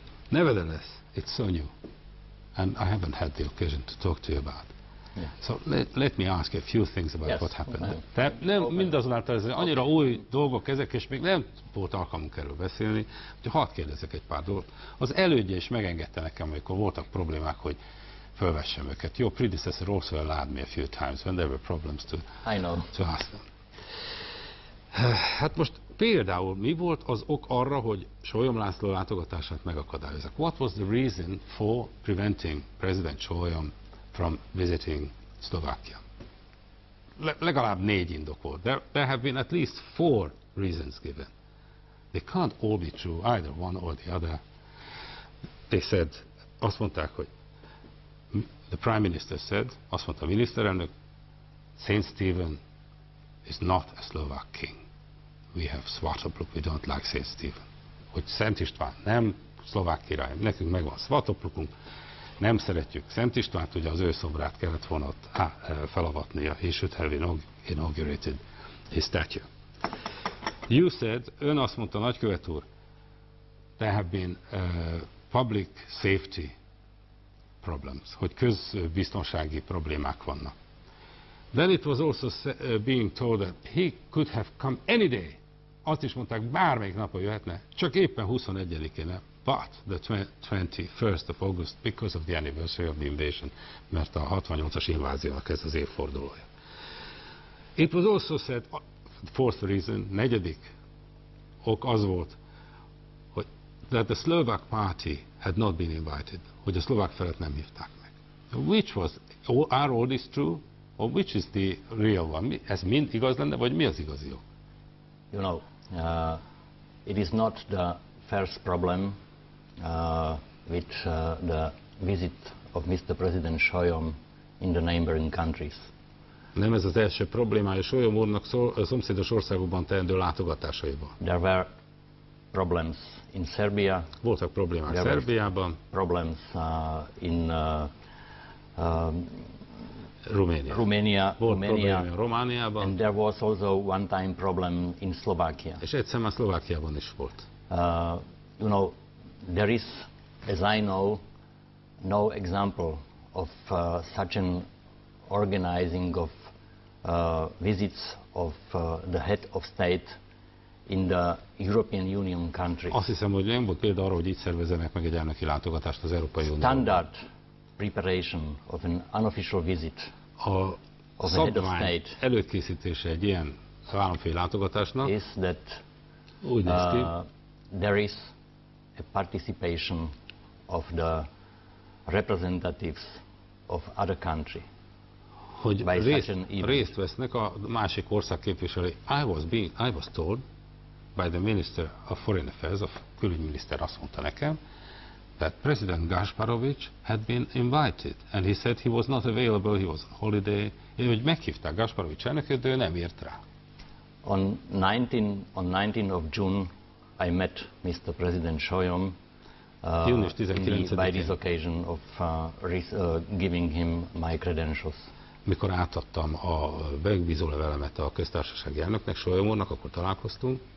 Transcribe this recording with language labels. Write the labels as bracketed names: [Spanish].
[English] Nevertheless, it's so new, and I haven't had the occasion to talk to you about. Yeah. So let me ask a few things about what happened. Okay. [Hungarian] Tehát nem, mindazonáltal ez annyira új dolgok ezek, és még nem volt alkalmunk erről beszélni, hogy hadd kérdezek egy pár dolgot. Az elődje is megengedte nekem, amikor voltak problémák, hogy fölvessem őket. [English] Your predecessor also allowed me a few times when there were problems to ask them. [Hungarian] Hát most például mi volt az ok arra, hogy Sólyom László látogatását megakadályozzák? [English] What was the reason for preventing President Sólyom from visiting Slovakia? [Hungarian] Legalább négy indok volt. [English] There have been at least four reasons given. They can't all be true, either one or the other. They said, [Hungarian] azt mondták, hogy [English] the Prime Minister said, [Hungarian] azt mondta a miniszterelnök, [English] St. Stephen is not a Slovak king. We have Svatopluk, we don't like St. Stephen. [Hungarian] Hogy Szent István nem szlovák király, nekünk megvan Svatoplukunk, nem szeretjük Szent Istvánt, ugye az ő szobrát kellett volna felavatni, [English] he should have inaugurated his statue. You said, [Hungarian] ön azt mondta, nagykövet úr, [English] there have been public safety problems, [Hungarian] hogy közbiztonsági problémák vannak. [English] Then it was also being told that he could have come any day. [Hungarian] Azt is mondták, bármelyik napon jöhetne, csak éppen 21-én, [English] but the 21st of August, because of the anniversary of the invasion, [Hungarian] mert a 68-as inváziónak ez az évfordulója. [English] It was also said, fourth reason, [Hungarian] negyedik ok az volt, hogy [English] that the Slovak party had not been invited, [Hungarian] hogy a szlovák felet nem hívták meg. [English] Which was, are all this true, or which is the real one? [Hungarian] Ez mind igaz lenne, vagy mi az igazi ok? [English] You know, it is not the first problem with the visit of Mr. President Sólyom in the neighboring countries. [Hungarian] Nem ez az első problémája Sólyom úrnak szomszédos országokban teendő látogatásaival. [English] There were problems in Serbia. [Hungarian] Voltak problémák Szerbiában. [English] Problems in Romania. [Hungarian] Románia. Romániában. [English] And there was also one time problem in Slovakia. [Hungarian] És egyszer már Szlovákiában is volt. [English] You know, there is, as I know, no example of such an organizing of visits of the head of state in the European Union country. [Hungarian] Azt hiszem, hogy nem volt példa arra, hogy így szervezzenek meg egy elnöki látogatást az Európai Unióban. [English] Standard preparation of an unofficial visit of a head of state. [Hungarian] A szabvány előkészítése egy ilyen államfői látogatásnak [English] is that [Hungarian] úgy néz ki, [English] there is a participation of the representatives of other country. [Hungarian] Hogy részt vesznek a másik ország képviselői. [English] I was told by the Minister of Foreign Affairs, [Hungarian] a külügyminiszter azt mondta nekem, [English] that President Gasparovic had been invited, and he said he was not available, he was on holiday. [Hungarian] Én, hogy meghívták Gasparovic elnököt, de ő nem ért rá. [English] On 19 of June, I met Mr. President Sólyom by this occasion of giving him my credentials. [Hungarian] Mikor átadtam a megbízó levelemet a köztársasági elnöknek, Sólyom úrnak, akkor találkoztunk.